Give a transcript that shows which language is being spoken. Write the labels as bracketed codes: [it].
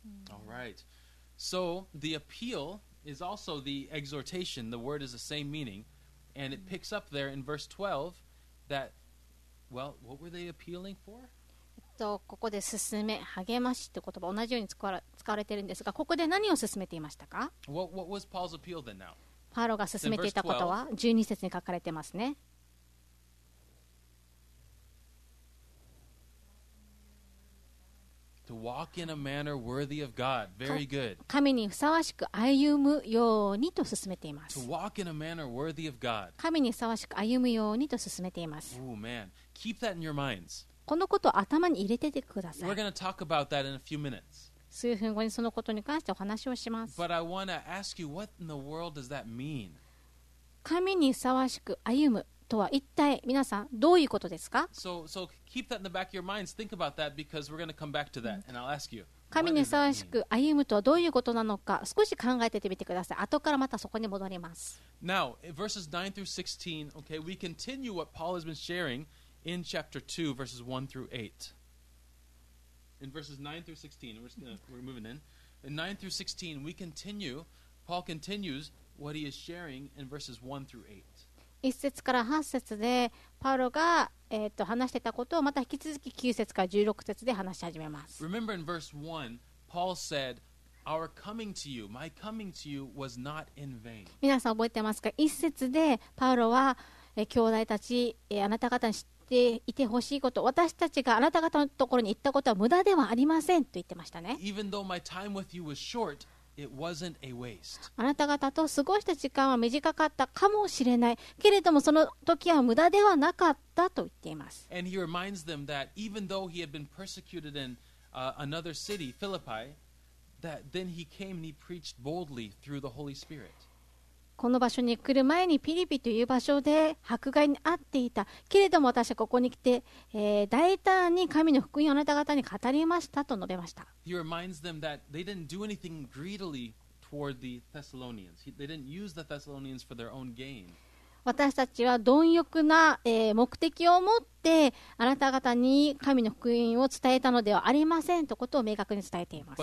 [en] All right. So, the appeal is also the exhortation. The word is the same meaning. And it picks up there in verse 12 that, well, what were they appealing for? [ja] ここで勧め励ましって言葉同じように使われているんですがここで何を勧めていましたか [en] what was Paul's appeal then now? [ja] パウロが勧めていたことは12節に書かれていますね [en] to walk in a manner worthy of God. Very good. [ja] 神にふさわしく歩むようにと勧めています [en] to walk in a manner worthy of God. [ja] 神にふさわしく歩むようにと勧めています [en] Oh man, keep that in your minds [ja] このことを頭に入れててください。 [en] We're going to talk about that in a few minutes. [ja] 数分後にそのことに関してお話をします。 [en] But I want to ask you, what in the world does that mean? [ja] 神にふさわしく歩むとは一体皆さんどういうことですか [en] ？So keep that in the back of your minds. Think about that because we're going to come back to that, and I'll ask you. [ja] 神にふさわしく歩むとはどういうことなのか少し考えててみてください。後からまたそこに戻ります。 [en] Now, verses 9 through 16. Okay, we continue what Paul has been sharing. In chapter 2, verses 1 through 8. In verses 9 through 16, we're moving in. In 9 through 16, we continue, Paul continues what he is sharing in verses 1 through 8. [ja] 1節から8節で、パウロが、話してたことをまた引き続き9節から16節で話し始めます。 [en] Remember in verse 1, Paul said, Our coming to you, my coming to you was not in vain. [ja] 皆さん覚えてますか ?1 節で、パウロは、兄弟たち、あなた方に知ってていてほしいこと、私たちがあなた方のところに行ったことは無駄ではありませんと言ってましたね。 [en] Even though my time with you was short, it wasn't a waste. [ja] あなた方と過ごした時間は短かったかもしれない。けれどもその時は無駄ではなかったと言っています。 [en] And he reminds them that even though he had been persecuted in another city, Philippi, that then he came and he preached boldly through the Holy Spirit. [ja] この場所に来る前にピリピという場所で迫害に遭っていたけれども私はここに来て、大胆に神の福音をあなた方に語りましたと述べました。 [en] He reminds them that they didn't do anything greedily toward the Thessalonians. They didn't use the Thessalonians for their own gain. [ja] 私たちは貪欲な、目的を持ってあなた方に神の福音を伝えたのではありませんということを明確に伝えています。